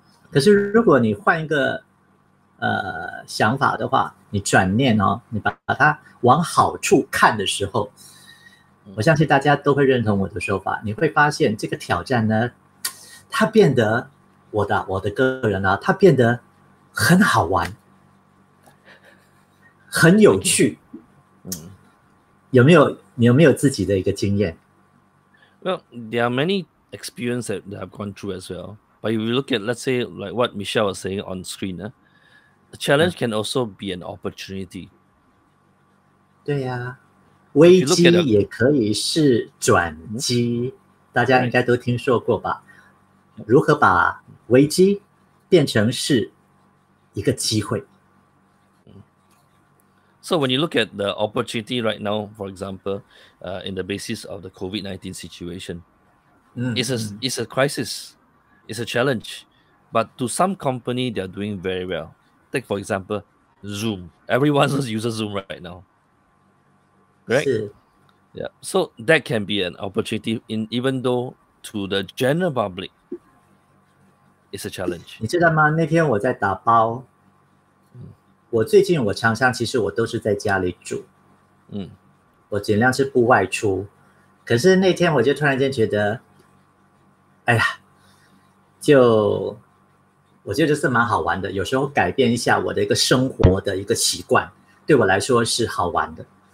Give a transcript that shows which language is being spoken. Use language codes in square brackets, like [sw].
[zh] 可是如果你换一个想法的话，你转念哦，你把它往好处看的时候，我相信大家都会认同我的说法。你会发现这个挑战呢，它变得我的个人啊，它变得很好玩，很有趣。有没有自己的一个经验 [en] ？Well, there are many experiences that I've gone through as well. But if you look at, let's say, like what Michelle was saying on screen, A challenge can also be an opportunity. [zh] 对呀、啊，危机也可以是转机，大家应该都听说过吧？如何把危机变成是一个机会 [en] ？So when you look at the opportunity right now, for example, in the basis of the COVID-19 situation, it's a crisis, it's a challenge, but to some company, they are doing very well. Take for example, Zoom. Everyone uses Zoom right now, right? Yeah. So that can be an opportunity, even though to the general public, it's a challenge. [zh] 你知道吗？那天我在打包。我最近我常常其实我都是在家里煮。我尽量是不外出。可是那天我就突然间觉得，哎呀，就。我觉得这是蛮好玩的，有时候改变一下我的一个生活的一个习惯，对我来说是好玩的。